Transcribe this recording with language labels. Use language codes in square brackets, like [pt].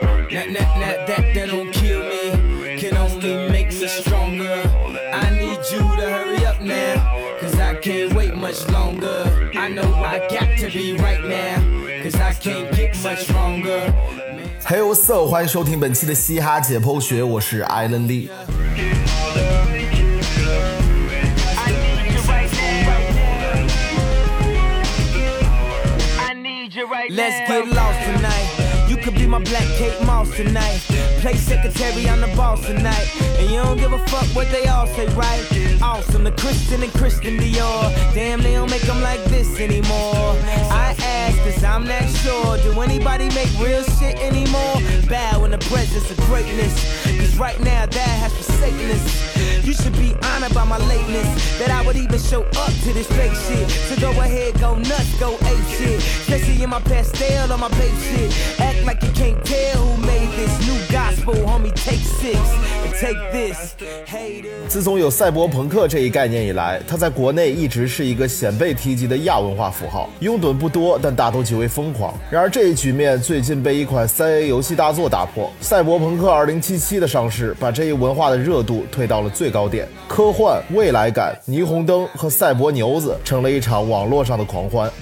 [en] That don't kill me, can only make me stronger. I need you to hurry up now, cause I can't wait much longer. I know I got to be right now, cause I can't get much stronger. Hey, what's up? [zh] 欢迎收听本期的嘻哈解剖学，我是 Island Lee。 [en] Let's get lost tonight. You could be my black Kate Moss tonight. Play secretary, I'm the boss tonight. And you don't give a fuck what they all say, right? Awesome, the Christian and Christian Dior. Damn, they don't make them like this anymore. I ask, cause I'm not sure. Do anybody make real shit anymore? Bow in the presence of greatness. Cause right now that has forsaken us. You should be honored by my lateness. That I would even show up to this fake shit. So go ahead, go nuts, go ape shit. Especially in my pastel on my babe shit. Act like you can't tell who made this new gospel. Homie, take six and take this. Haters. [zh] 自从有赛博朋克这一概念以来，它在国内一直是一个鲜被提及的亚文化符号，拥趸不多，但大都极为疯狂。然而这一局面最近被一款 3A 游戏大作打破，赛博朋克2077的上市把这一文化的热度推到了最高点，科幻、未来感、霓虹灯和赛博牛子成了一场网络上的狂欢。